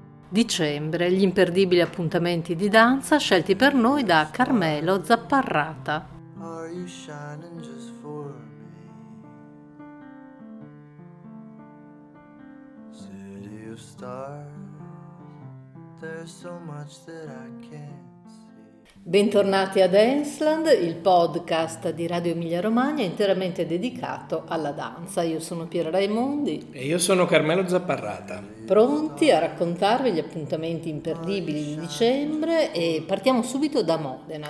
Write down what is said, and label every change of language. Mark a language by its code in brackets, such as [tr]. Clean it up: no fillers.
[it] Dicembre, gli imperdibili appuntamenti di danza scelti per noi da Carmelo Zapparrata. [en] Are you shining just for me? City of stars, there's so much that I can't see. [it] Bentornati a Danceland, il podcast di Radio Emilia Romagna interamente dedicato alla danza. Io sono Piera Raimondi. E io sono Carmelo Zapparrata. Pronti a raccontarvi gli appuntamenti imperdibili di dicembre e partiamo subito da Modena.